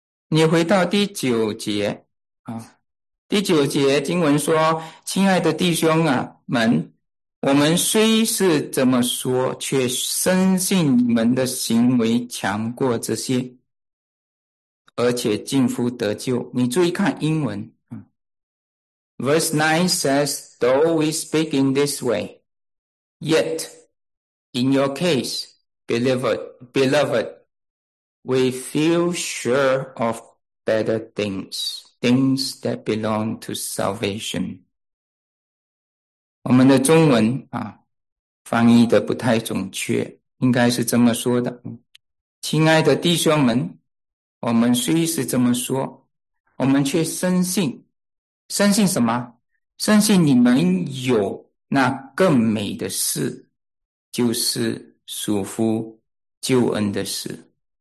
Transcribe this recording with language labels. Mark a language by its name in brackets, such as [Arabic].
[Chinese] 你回到第九节啊，第九节经文说：“亲爱的弟兄啊们，我们虽是这么说，却深信你们的行为强过这些，而且近乎得救。你注意看英文。 [English] Verse 9 says, though we speak in this way, yet in your case, beloved, we feel sure of better things, things that belong to salvation. [Chinese] 我们的中文啊，翻译的不太准确，应该是这么说的。亲爱的弟兄们，我们虽是这么说，我们却深信什么？深信你们有那更美的事，就是属乎救恩的事。